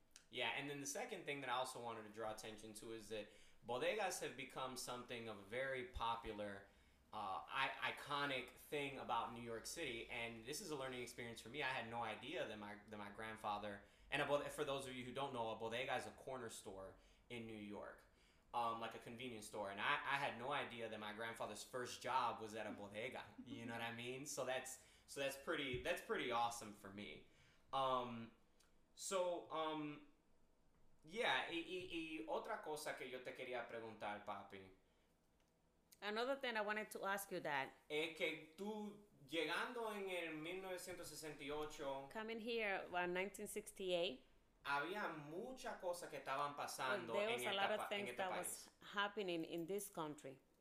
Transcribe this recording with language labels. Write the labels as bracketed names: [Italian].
[English] Yeah, and then the second thing that I also wanted to draw attention to is that bodegas have become something of a very popular iconic thing about New York City, and this is a learning experience for me. I had no idea that my grandfather, and for those of you who don't know, a bodega is a corner store in New York, like a convenience store, and I had no idea that my grandfather's first job was at a bodega, you know what I mean? So that's pretty awesome for me. [Spanish] Y otra cosa que yo te quería preguntar, papi. [English] Another thing I wanted to ask you, Dad. [Spanish] Es que tú, llegando en el 1968... [English] Coming here in 1968. [Spanish] Había mucha cosa que estaban pasando en este país. [English] There was a lot of things that was happening in this country.